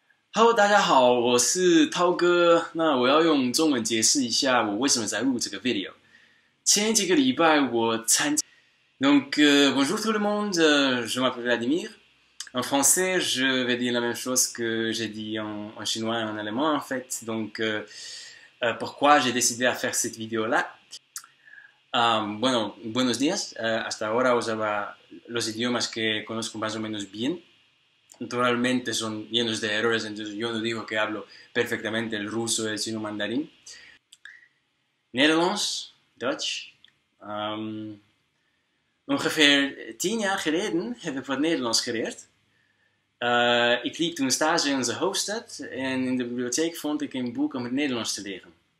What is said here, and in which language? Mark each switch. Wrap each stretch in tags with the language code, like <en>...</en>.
<en>Hello,</en> <zh>大家好,我是涛哥. 那我要用中文解释一下我为什么在录这个 video. 前几个礼拜我参加...</zh> <fr>Donc, bonjour tout le monde, je m'appelle Vladimir. En français, je vais dire la même chose que j'ai dit en chinois et en allemand, en fait. Donc, pourquoi j'ai décidé à faire cette vidéo-là?</fr> <es>Bueno, buenos días. Hasta ahora usaba los idiomas que conozco más o menos bien. Naturalmente son llenos de errores, entonces yo no digo que hablo perfectamente el ruso, el chino mandarín.</es> <nl>Nederlands, Dutch. Ungefähr 10 jaar geleden heb ik wat Nederlands geleerd. Ik liep toen stage in onze hoofdstad en in de bibliotheek vond ik een boek om het Nederlands te leren.</nl>